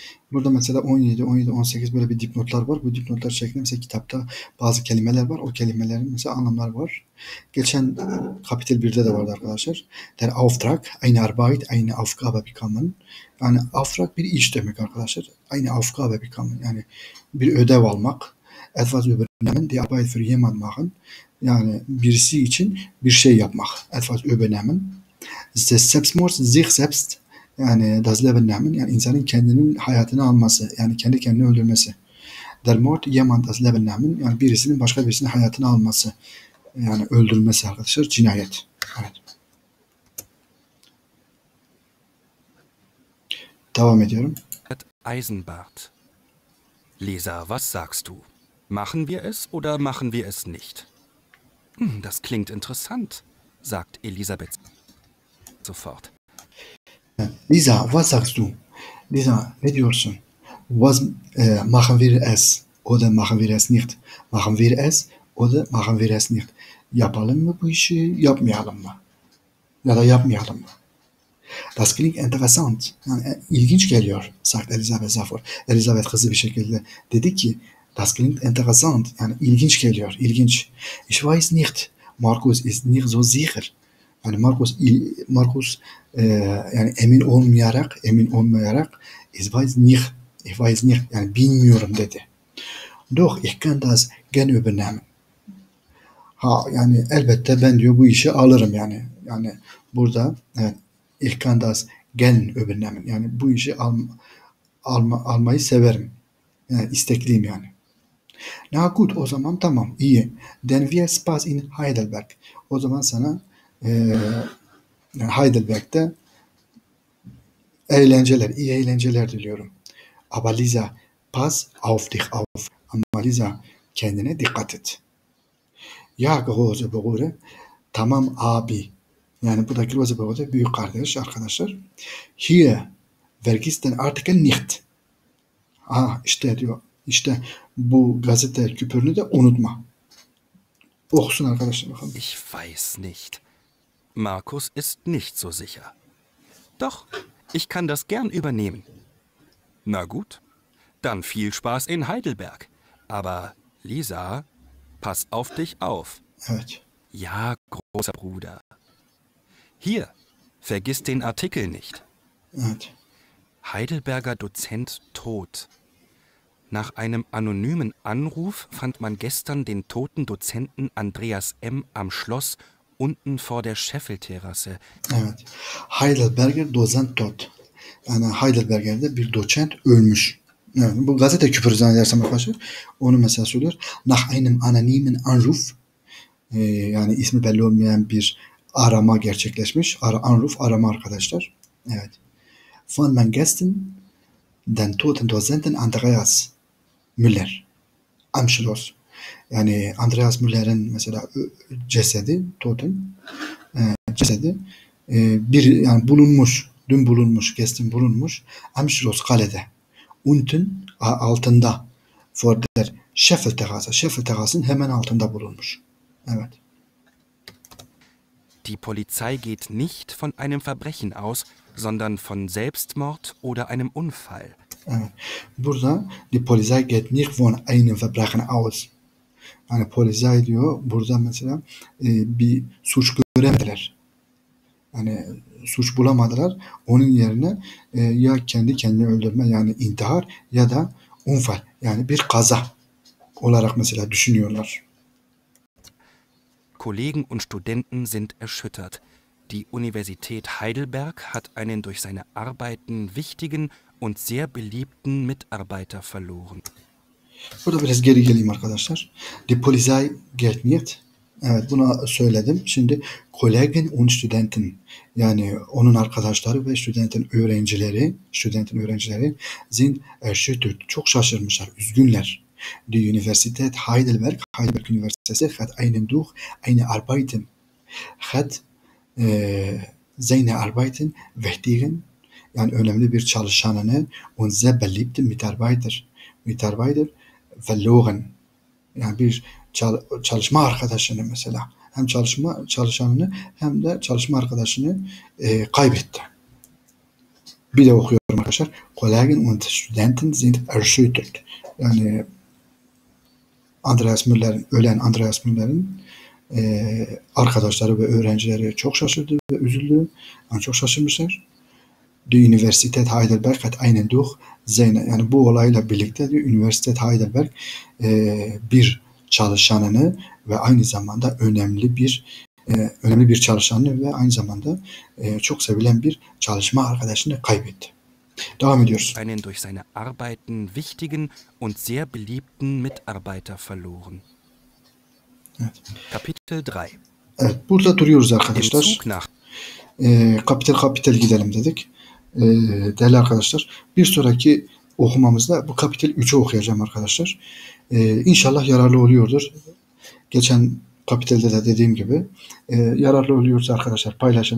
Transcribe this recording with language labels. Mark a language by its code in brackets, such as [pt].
[tr] Burada mesela 17, 17, 18 böyle bir dipnotlar var. Bu dipnotlar şeklinde mesela kitapta bazı kelimeler var. O kelimelerin mesela anlamları var. Geçen kapitel 1'de de vardı arkadaşlar. [de] Der Auftrag, eine Arbeit, eine Aufgabe bekommen. [tr] Yani Auftrag bir iş demek arkadaşlar. [de] Eine Aufgabe bekommen. [tr] Yani bir ödev almak. [de] Etwas übernehmen, die Arbeit für jemand machen. [tr] Yani birisi için bir şey yapmak. [de] Etwas übernehmen. Selbstmord, sich selbst. [tr] Yani [de] das Leben nehmen, [tr] yani insanın kendinin hayatını alması, yani kendi kendini öldürmesi. [de] Der Mord jemand das Leben nehmen, [tr] yani birisinin başka birisinin hayatını alması, yani öldürmesi arkadaşlar, cinayet. Evet. Devam ediyorum. [de] Eisenbart. Leser, was sagst du? Machen wir es oder machen wir es nicht? Das klingt interessant, sagt Elisabeth sofort. Lisa, was sagst du? Lisa, [tr] ne diyorsun? [de] Was machen wir es oder machen wir es nicht? Machen wir es oder machen wir es nicht? [tr] Yapalım mı bu işi, yapmayalım mı? Ya da yapmayalım mı? [de] Das klingt interessant. [tr] Yani, ilginç geliyor, [de] sagt Elisabeth Zafur. [tr] Elisabeth hızlı bir şekilde dedi ki, [de] das klingt interessant. [tr] Yani ilginç geliyor, ilginç. [de] Ich weiß nicht, Markus ist nicht so sicher. [tr] Yani Markus yani emin olmayarak [de] ich weiß nicht [tr] yani bilmiyorum dedi. [de] Doch ich kann das gerne übernehmen. [tr] Ha yani elbette ben diyor bu işi alırım yani. Yani burada yani [de] ich kann das gerne übernehmen. [tr] Yani bu işi almayı severim. Yani istekliyim yani. [de] Na gut, [tr] o zaman tamam, iyi. [de] Dann wir Spaß in Heidelberg. [tr] O zaman sana Heidelberg'te eğlenceler, iyi eğlenceler diliyorum. [de] Aber Lisa, pass auf dich auf. [tr] Ama Lisa, kendine dikkat et. [de] Ja, große Bruder, [tr] tamam abi. Yani bu da [de] große Bruder, [tr] büyük kardeş, arkadaşlar. [de] Hier, vergiss den Artikel nicht. [tr] Ah, işte diyor, işte bu gazete küpürünü de unutma. Okusun arkadaşlar bakalım. [de] Ich weiß nicht. Markus ist nicht so sicher. Doch, ich kann das gern übernehmen. Na gut, dann viel Spaß in Heidelberg. Aber Lisa, pass auf dich auf. Ja, großer Bruder. Hier, vergiss den Artikel nicht. Heidelberger Dozent tot. Nach einem anonymen Anruf fand man gestern den toten Dozenten Andreas M. am Schloss unten vor der Scheffelterrasse. Evet. Heidelberger Dozent tot. [tr] Yani Heidelberger'de bir doçent ölmüş. Evet. Bu gazete küfürü zannedersem arkadaşlar. Onu mesela söylüyor. [de] Nach einem anonymen Anruf. [tr] Yani ismi belli olmayan bir arama gerçekleşmiş. [de] Anruf [tr] arama arkadaşlar. Evet. [de] Von man gestern den toten Dozenten Andreas Müller. Am Schloss. [tr] Yani Andreas Müller'in mesela cesedi, totem cesedi bir yani bulunmuş, dün bulunmuş, gestern bulunmuş [de] am Schloss [tr] kalede. [de] Unten altında vor der Scheffelterrasse. [tr] Scheffelterrasse'nin hemen altında bulunmuş. Evet. [de] Die Polizei geht nicht von einem Verbrechen aus, sondern von Selbstmord oder einem Unfall. [tr] Evet. [de] Burada die Polizei geht nicht von einem Verbrechen aus. [tr] Yani polizei diyor, burada mesela bir suç göremediler. Yani suç bulamadılar. Onun yerine ya kendi kendini öldürme, yani intihar, ya da unfall, yani bir kaza olarak mesela düşünüyorlar. [de] Kollegen und Studenten sind erschüttert. Die Universität Heidelberg hat einen durch seine Arbeiten wichtigen und sehr beliebten Mitarbeiter verloren. [tr] Burada biraz geri geleyim arkadaşlar. [de] Die Polizei geht nicht. [tr] Evet, buna söyledim. Şimdi [de] Kollegen und Studenten, [tr] yani onun arkadaşları ve studentin öğrencileri [de] sind erschüttert. [tr] Çok şaşırmışlar, üzgünler. [de] Die Universität Heidelberg, [tr] Heidelberg Üniversitesi [de] hat einen durch eine Arbeiten, hat seine Arbeiten wichtigen, [tr] yani önemli bir çalışanını [de] und sehr beliebten Mitarbeiter verloren. [tr] Yani bir çalışma arkadaşını mesela, hem çalışma çalışanını hem de çalışma arkadaşını kaybetti. Bir de okuyorum arkadaşlar. [de] Kollegen und Studenten sind erschüttert. [tr] Yani Andreas Müller'in, ölen Andreas Müller'in arkadaşları ve öğrencileri çok şaşırdı ve üzüldü. Yani çok şaşırmışlar. [de] Die Universität Heidelberg hat einen durch seine, [tr] yani bu olayla birlikte die Universität Heidelberg bir çalışanını ve aynı zamanda önemli bir çalışanını ve aynı zamanda çok sevilen bir çalışma arkadaşını kaybetti. Devam ediyoruz. [de] Einen durch seine Arbeiten wichtigen und sehr beliebten Mitarbeiter verloren. [tr] Evet. [de] Kapitel 3. [tr] Evet, burada duruyoruz arkadaşlar. Kapitel kapitel gidelim dedik. Değerli arkadaşlar, bir sonraki okumamızda bu kapitel 3'ü okuyacağım arkadaşlar. İnşallah yararlı oluyordur. Geçen kapitelde de dediğim gibi yararlı oluyorsa arkadaşlar paylaşın.